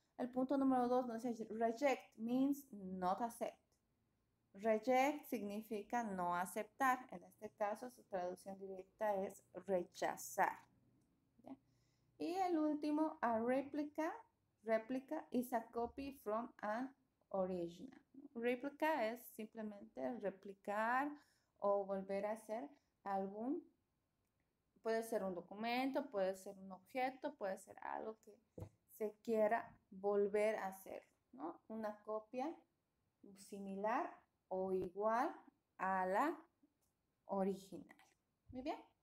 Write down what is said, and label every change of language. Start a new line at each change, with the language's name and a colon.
Spanish: El punto número dos nos dice
English: reject means not accept.
Spanish: Reject significa no aceptar. En este caso, su traducción directa es rechazar. Y el último, a réplica.
English: Réplica is a copy from an original.
Spanish: Réplica es simplemente replicar o volver a hacer algún. Puede ser un documento, puede ser un objeto, puede ser algo que se quiera volver a hacer, ¿no? Una copia similar o igual a la original. Muy bien.